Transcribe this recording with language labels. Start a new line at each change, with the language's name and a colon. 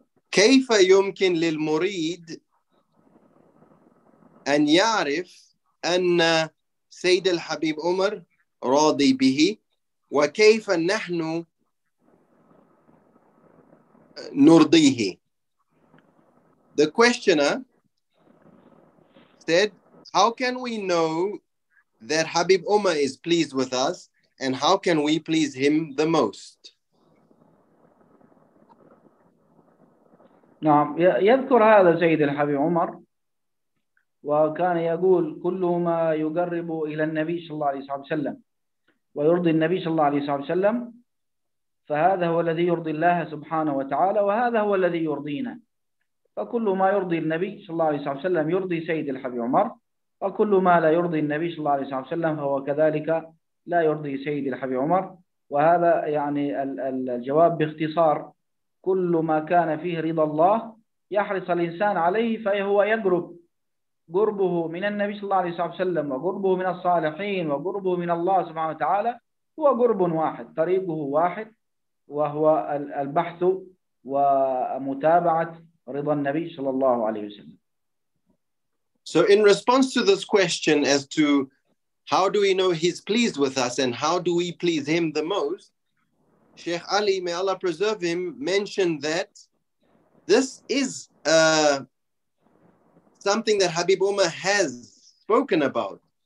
Arabic: كيف يمكن للمريد أن يعرف أن سيد الحبيب عمر راضي به وكيف نحن نرضيه؟
English: The questioner said, how can we know that Ḥabīb ʿUmar is pleased with us and how can we please him the most?
Arabic: نعم يذكر هذا سيد الحبيب عمر وكان يقول كل ما يقرب إلى النبي صلى الله عليه وسلم ويرضي النبي صلى الله عليه وسلم فهذا هو الذي يرضي الله سبحانه وتعالى وهذا هو الذي يرضينا فكل ما يرضي النبي صلى الله عليه وسلم يرضي سيد الحبيب عمر وكل ما لا يرضي النبي صلى الله عليه وسلم فهو كذلك لا يرضي سيد الحبيب عمر وهذا يعني الجواب باختصار كل ما كان فيه رضا الله يحرص الإنسان عليه فهو يقرب قربه من النبي صلى الله عليه وسلم وقربه من الصالحين وقربه من الله سبحانه وتعالى هو قرب واحد طريقه واحد وهو البحث ومتابعة رضا النبي صلى الله عليه وسلم.
English: So in response to this question as to how do we know he's pleased with us and how do we please him the most, Sheikh Ali, may Allah preserve him, mentioned that this is something that Ḥabīb ʿUmar has spoken about.